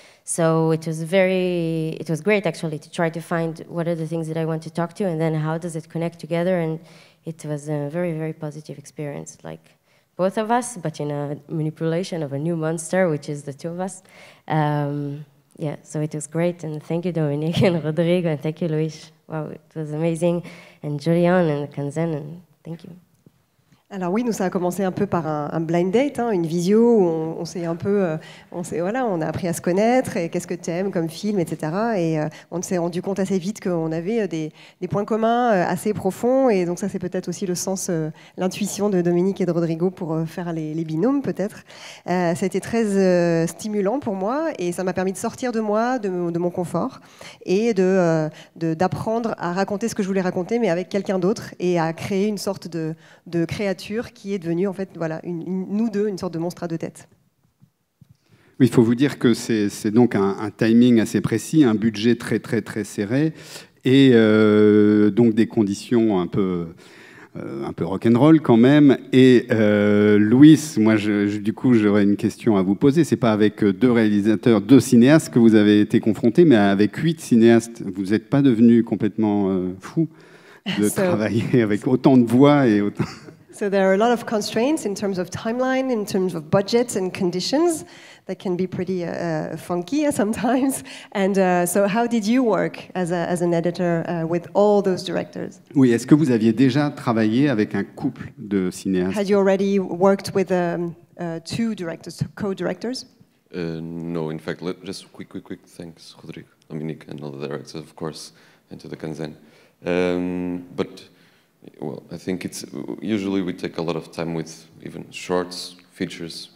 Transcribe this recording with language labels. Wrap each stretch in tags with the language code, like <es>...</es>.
<en>So it was great actually to try to find what are the things that I want to talk to and then how does it connect together, and it was a very, very positive experience, like both of us, but in a manipulation of a new monster, which is the two of us. So it was great, and thank you Dominique and Rodrigo, and thank you Luis. Wow, it was amazing, and Julian and Kanzen, and thank you.</en> <fr>Alors oui, nous, ça a commencé un peu par un blind date, hein, une visio où on s'est un peu, on a appris à se connaître et qu'est-ce que tu aimes comme film, etc. Et on s'est rendu compte assez vite qu'on avait des points communs assez profonds, et donc ça, c'est peut-être aussi le sens, l'intuition de Dominique et de Rodrigo pour faire les binômes, peut-être. Ça a été très stimulant pour moi et ça m'a permis de sortir de moi, de mon confort, et d'apprendre à raconter ce que je voulais raconter, mais avec quelqu'un d'autre, et à créer une sorte de création qui est devenue en fait, voilà, nous deux, une sorte de monstre à deux têtes. Oui, il faut vous dire que c'est donc un timing assez précis, un budget très très très serré, et donc des conditions un peu rock'n'roll quand même. Et Louis, moi je j'aurais une question à vous poser. C'est pas avec deux réalisateurs, deux cinéastes que vous avez été confrontés, mais avec 8 cinéastes, vous n'êtes pas devenu complètement fou de travailler avec autant de voix et autant...</fr> <en>So there are a lot of constraints in terms of timeline, in terms of budgets and conditions that can be pretty funky sometimes. And so how did you work as an editor with all those directors?</en> <fr>Oui, est-ce que vous aviez déjà travaillé avec un couple de cinéastes?</fr> <en>Had you already worked with two directors, co-directors? No, in fact, just quick thanks, Rodrigo, Dominique, and all the directors, of course, and to the Kanzen. But... Well, I think it's usually we take a lot of time with even shorts, features.</en>